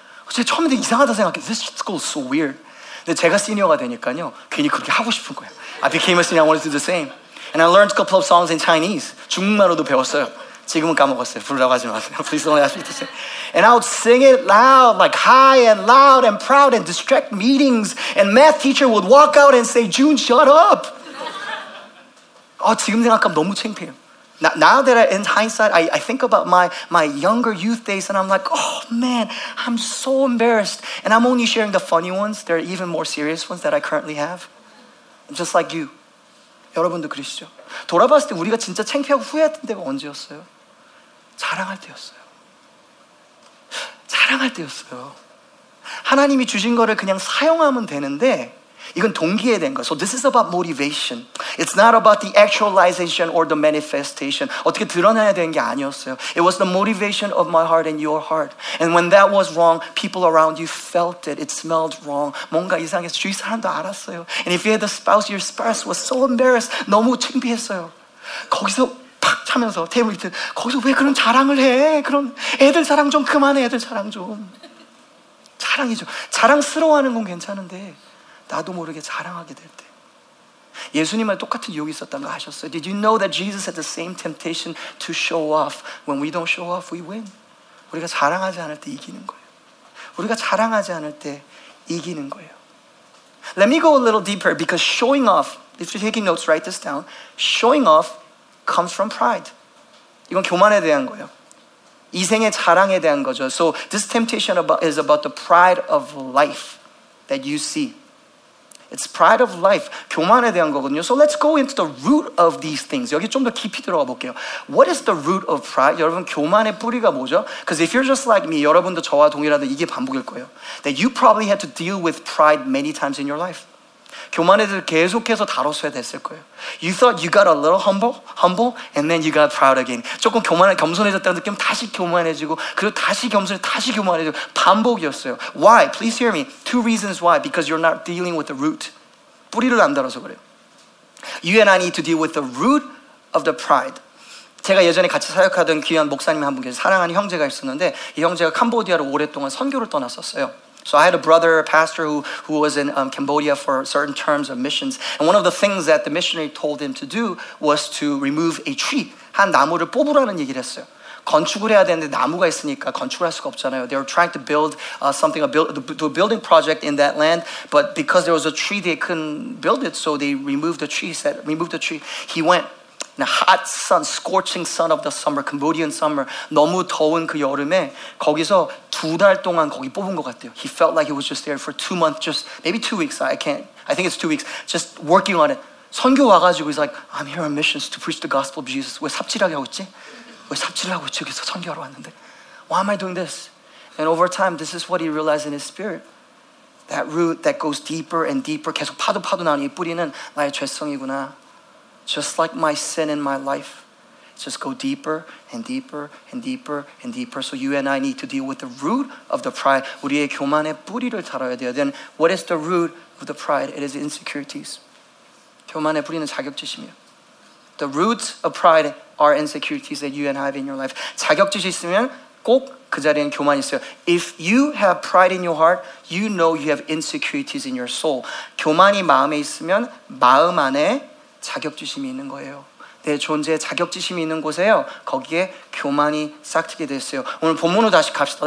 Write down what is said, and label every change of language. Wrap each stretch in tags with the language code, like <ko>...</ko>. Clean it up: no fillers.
<ko>제가 처음에 이상하다 생각했어요.</ko> <en>This school is so weird.</en> <ko>근데 제가 시니어가 되니까요 괜히 그렇게 하고 싶은 거예요.</ko> <en>I became a senior, I wanted to do the same. And I learned a couple of songs in Chinese.</en> <ko>중국말로도 배웠어요. 지금은 까먹었어요. 부르라고 하지 마세요.</ko> <en>Please don't ask me to sing. And I would sing it loud, like high and loud and proud and distract meetings. And math teacher would walk out and say, June, shut up.</en> <ko>지금 생각하면 너무 창피해요.</ko> <en>Now that in hindsight, I think about my younger youth days and I'm like, oh man, I'm so embarrassed. And I'm only sharing the funny ones. There are even more serious ones that I currently have. Just like you.</en> <ko>여러분도 그러시죠? 돌아봤을 때 우리가 진짜 창피하고 후회했던 때가 언제였어요? 자랑할 때였어요. 사랑할 때였어요. 하나님이 주신 거를 그냥 사용하면 되는데 이건 동기에 된 거예요.</ko> <en>So this is about motivation. It's not about the actualization or the manifestation.</en> <ko>어떻게 드러나야 되는 게 아니었어요.</ko> <en>It was the motivation of my heart and your heart. And when that was wrong, people around you felt it. It smelled wrong.</en> <ko>뭔가 이상해서 주위 사람도 알았어요.</ko> <en>And if you had a spouse, your spouse was so embarrassed.</en> <ko>너무 창피했어요. 거기서 팍 차면서 테이블 밑에 거기서 왜 그런 자랑을 해? 그런 애들 사랑 좀 그만해, 애들 사랑 좀. 자랑이죠. 자랑스러워하는 건 괜찮은데 나도 모르게 자랑하게 될 때. 예수님은 똑같은 유혹이 있었던 거 아셨어요?</ko> <en>Did you know that Jesus had the same temptation to show off? When we don't show off, we win.</en> <ko>우리가 자랑하지 않을 때 이기는 거예요. 우리가 자랑하지 않을 때 이기는 거예요.</ko> <en>Let me go a little deeper because showing off, if you're taking notes, write this down. Showing off comes from pride.</en> <ko>이건 교만에 대한 거예요. 이생의 자랑에 대한 거죠.</ko> <en>So this temptation is about the pride of life that you see. It's pride of life,</en> <ko>교만에 대한 거거든요.</ko> <en>So let's go into the root of these things.</en> <ko>여기 좀 더 깊이 들어가 볼게요.</ko> <en>What is the root of pride?</en> <ko>여러분, 교만의 뿌리가 뭐죠?</ko> <en>Because if you're just like me,</en> <ko>여러분도 저와 동일하다, 이게 반복일 거예요.</ko> <en>That you probably had to deal with pride many times in your life.</en> <ko>교만에 대해서 계속해서 다뤘어야 됐을 거예요.</ko> <en>You thought you got a little humble, and then you got proud again.</en> <ko>조금 겸손해졌다는 느낌, 다시 교만해지고, 그리고 다시 겸손해지고, 반복이었어요.</ko> <en>Why? Please hear me. Two reasons why. Because you're not dealing with the root.</en> <ko>뿌리를 안 다뤄서 그래요.</ko> <en>You and I need to deal with the root of the pride.</en> <ko>제가 예전에 같이 사역하던 귀한 목사님 한 분께서 사랑하는 형제가 있었는데, 이 형제가 캄보디아로 오랫동안 선교를 떠났었어요.</ko> <en>So I had a brother, a pastor who was in Cambodia for certain terms of missions. And one of the things that the missionary told him to do was to remove a tree.</en> <ko>한 나무를 뽑으라는 얘기를 했어요. 건축을 해야 되는데 나무가 있으니까 건축을 할 수가 없잖아요.</ko> <en>They were trying to build something, a building project in that land. But because there was a tree, they couldn't build it. So they removed the tree, said, remove the tree. He went. In a hot sun, scorching sun of the summer, Cambodian summer,</en> <ko>너무 더운 그 여름에 거기서 두 달 동안 거기 뽑은 것 같아요.</ko> <en>He felt like he was just there for 2 months, just maybe 2 weeks. I think it's 2 weeks. Just working on it.</en> <ko>선교 와가지고</ko> <en>he's like, I'm here on missions to preach the gospel of Jesus.</en> <ko>왜 삽질하게 하고 있지? 왜 삽질하고 있지? 여기서 선교하러 왔는데.</ko> <en>Why am I doing this? And over time, this is what he realized in his spirit. That root that goes deeper and deeper,</en> <ko>계속 파도 나오는 이 뿌리는 나의 죄성이구나.</ko> <en>Just like my sin in my life, just go deeper and deeper and deeper and deeper. So you and I need to deal with the root of the pride.</en> <ko>우리의 교만의 뿌리를 다뤄야 돼요.</ko> <en>Then what is the root of the pride? It is insecurities.</en> <ko>교만의 뿌리는 자격지심이에요.</ko> <en>The roots of pride are insecurities that you and I have in your life.</en> <ko>자격지심 있으면 꼭 그 자리에는 교만이 있어요.</ko> <en>If you have pride in your heart, you know you have insecurities in your soul.</en> <ko>교만이 마음에 있으면 마음 안에 자격지심이 있는 거예요. 내 존재에 자격지심이 있는 곳에요. 거기에 교만이 싹트게 됐어요. 오늘 본문으로 다시 갑시다.</ko>